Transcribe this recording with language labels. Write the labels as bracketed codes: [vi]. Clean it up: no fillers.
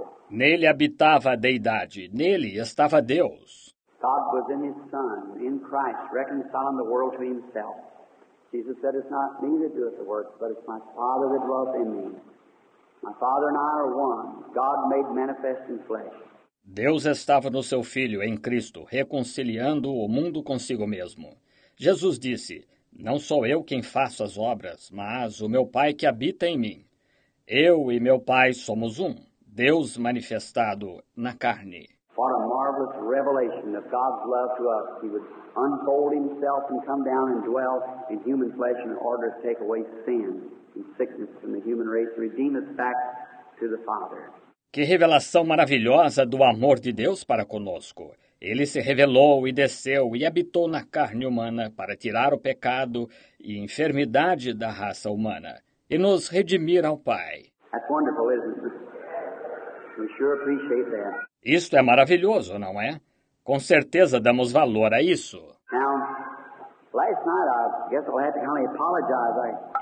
[pt] Nele habitava a deidade, nele estava Deus. [en] God was in his Son, in Christ, reconciling the world to himself. Jesus said, it's not me that doeth the works, but it's my Father that dwells in me. My Father and I are one, God made manifest in flesh. [pt] Deus estava no seu Filho, em Cristo, reconciliando o mundo consigo mesmo. Jesus disse, não sou eu quem faço as obras, mas o meu Pai que habita em mim. Eu e meu Pai somos um, Deus manifestado na carne. [en] What a marvelous revelation of God's love to us. He would unfold himself and come down and dwell in human flesh in order to take away sin and sickness from the human race, redeem us back to the Father. [pt] Que revelação maravilhosa do amor de Deus para conosco. Ele se revelou e desceu e habitou na carne humana para tirar o pecado e enfermidade da raça humana e nos redimir ao Pai. [en] That's wonderful, isn't it? We sure appreciate that. [pt] Isto é maravilhoso, não é? Com certeza damos valor a isso. [en] Now, last night I guess I'll have to kind of apologize.